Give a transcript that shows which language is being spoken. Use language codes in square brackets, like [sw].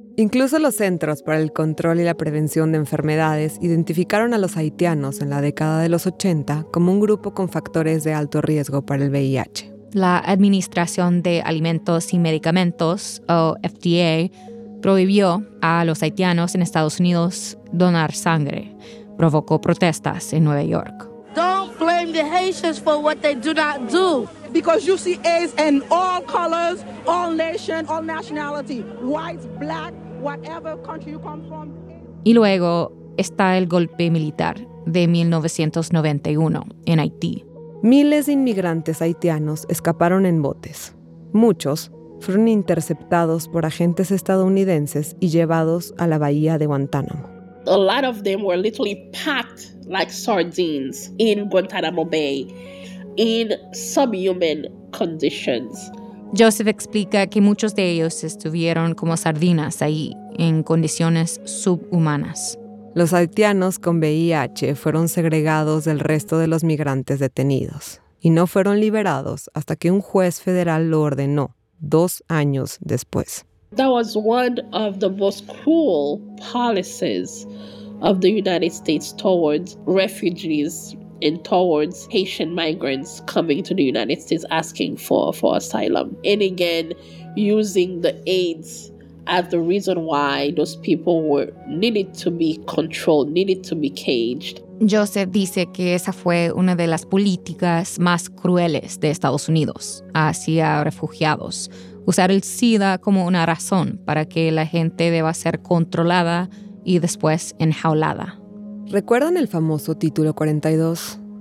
[es] Incluso los Centros para el Control y la Prevención de Enfermedades identificaron a los haitianos en la década de los 80 como un grupo con factores de alto riesgo para el VIH. La Administración de Alimentos y Medicamentos, o FDA, prohibió a los haitianos en Estados Unidos donar sangre. Provocó protestas en Nueva York. [en] Don't blame the Haitians for what they do not do. Because you see AIDS in all colors, all nations, all nationality, white, black, whatever country you come from. [es] Y luego está el golpe militar de 1991 en Haití. Miles de inmigrantes haitianos escaparon en botes. Muchos fueron interceptados por agentes estadounidenses y llevados a la bahía de Guantánamo. [en] A lot of them were literally packed like sardines in Guantanamo Bay in subhuman conditions. [es] Joseph explica que muchos de ellos estuvieron como sardinas ahí, en condiciones subhumanas. Los haitianos con VIH fueron segregados del resto de los migrantes detenidos y no fueron liberados hasta que un juez federal lo ordenó 2 años después. [en] That was one of the most cruel policies of the United States towards refugees and towards Haitian migrants coming to the United States asking for asylum. And again, using the AIDS as the reason why those people were needed to be controlled, needed to be caged. [es] Joseph dice que esa fue una de las políticas más crueles de Estados Unidos hacia refugiados. Usar el SIDA como una razón para que la gente deba ser controlada y después enjaulada. ¿Recuerdan el famoso Título 42?